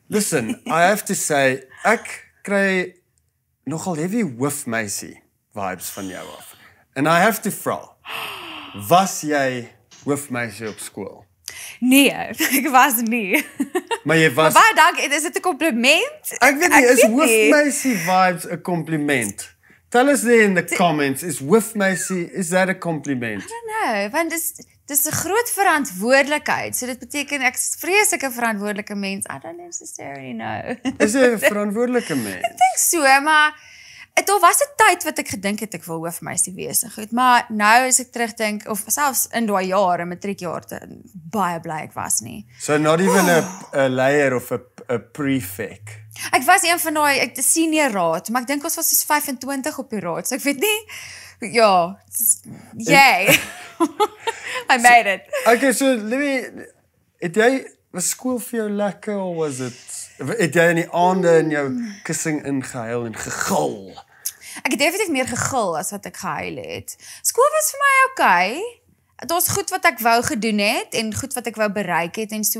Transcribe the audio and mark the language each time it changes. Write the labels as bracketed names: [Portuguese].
[English] Listen, I have to say [Afrikaans] ek kry nogal [English] heavy hoofmeisie vibes [Afrikaans] van jou af. [English] And I have to frown. [Afrikaans] Was jy hoofmeisie op skool? Nee, ek was nie. Maar jy was... Maar baie dank, is dit 'n compliment? Ek weet nie, is hoofmeisie vibes 'n compliment? [English] Tell us there in the comments, is hoofmeisie, is that a compliment? I don't know, [Afrikaans] want dis 'n groot verantwoordelikheid. So dit beteken ek is vreeslik 'n verantwoordelike mens. [English] I don't necessarily know. [Afrikaans] Is jy 'n verantwoordelike mens? Ek dink so, maar dit was 'n tyd wat ek gedink het ek wil hoofmeisie wees. Goed, maar nou as ek terugdink of selfs in daai jare, matriekjaar, baie bly ek was nie. [English] So not even a layer of a prefect. [Afrikaans] Ek was een van daai ek senior raad, maar ek dink ons was soos 25 op die raad. So ek weet nie. [English] Ja, yay. I made it. Okay, so let me... [Afrikaans] Het jy... Was [English] school [Afrikaans] vir jou lekker, [English] or was it... [Afrikaans] Het jy in die aande in jou kussing ingehuil en gegil? Ek het definitief meer gegil as wat ek gehuil het. School was vir my okay. Het was goed wat ek wou gedoen het, en goed wat ek wou bereik het en so.